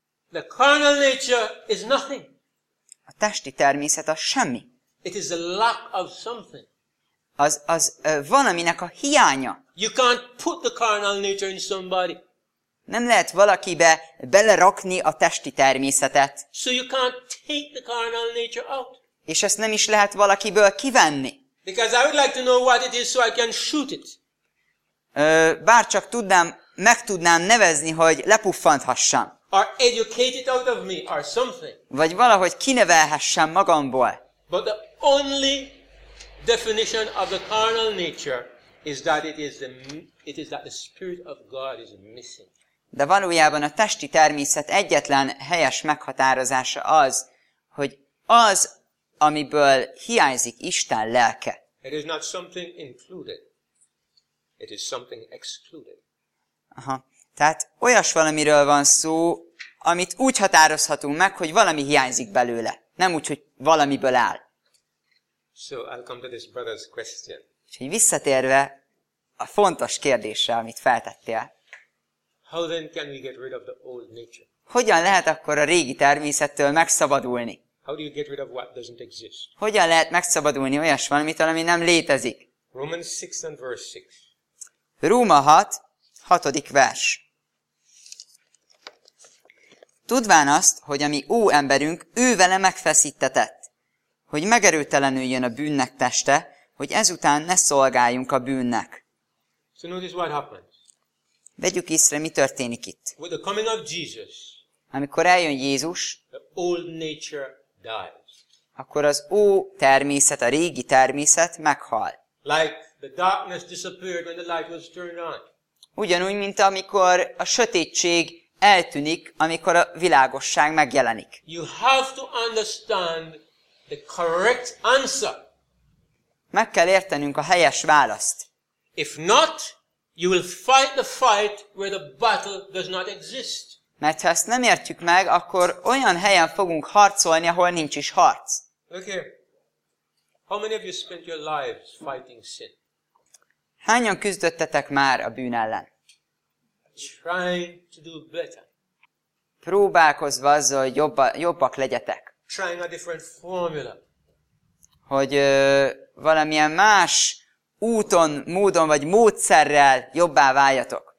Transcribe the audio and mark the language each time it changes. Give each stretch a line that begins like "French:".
English: The carnal nature is nothing.
Hungarian: A testi természet az semmi.
English: It is the lack of something.
Hungarian: Az valaminek a hiánya.
English: You can't put the carnal nature in somebody.
Hungarian: Nem lehet valakibe belerakni a testi természetet.
English: So you can't take the carnal nature out.
Hungarian: És ezt nem is lehet valakiből kivenni.
English: Because I would like to know what it is so I can shoot it.
Hungarian: Bárcsak meg tudnám nevezni, hogy lepuffanthassam.
English: Or educate it out of me or something.
Hungarian: Vagy valahogy kinevelhessem magamból.
English: But the only definition of the carnal nature is that it is that the spirit of God is missing.
Hungarian: De valójában a testi természet egyetlen helyes meghatározása az, hogy az, amiből hiányzik Isten lelke.
English: It is not something included. It is something excluded. Aha.
Hungarian: Tehát olyas valamiről van szó, amit úgy határozhatunk meg, hogy valami hiányzik belőle. Nem úgy, hogy valamiből áll.
English: So I'll come to this brother's question.
Hungarian: Úgyhogy visszatérve a fontos kérdésre, amit feltettél.
English: How then can we get rid of the old nature?
Hungarian: Hogyan lehet akkor a régi természettől megszabadulni?
English: How do you get rid of what doesn't exist?
Hungarian: Hogyan lehet megszabadulni olyas valamitől, ami nem létezik?
English: Romans 6 and verse 6.
Hungarian: Róma 6, 6. vers. Tudván azt, hogy a mi ó emberünk ő vele megfeszítetett, hogy megerőtelenüljön a bűnnek teste, hogy ezután ne szolgáljunk a bűnnek.
English: So notice what happens.
Hungarian: Vegyük észre, mi történik itt.
English: With the coming of Jesus,
Hungarian: amikor eljön Jézus,
English: the old nature dies.
Hungarian: Akkor az ó természet, a régi természet meghal.
English: Like the darkness disappeared when the light was turned on.
Hungarian: Ugyanúgy, mint amikor a sötétség eltűnik, amikor a világosság megjelenik.
English: You have to understand the correct answer.
Hungarian: Meg kell értenünk a helyes választ.
English: If not, you will fight the fight where the battle does not exist.
Hungarian: Mert ha ezt nem értjük meg, akkor olyan helyen fogunk harcolni, ahol nincs is harc.
English: Okay. How many of you spent your lives fighting sin?
Hungarian: Hányan küzdöttetek már a bűn ellen?
English: Trying to do better.
Hungarian: Próbálkozva azzal, hogy jobbak legyetek.
English: Trying a different formula.
Hungarian: Hogy valamilyen más úton, módon vagy módszerrel jobbá váljatok.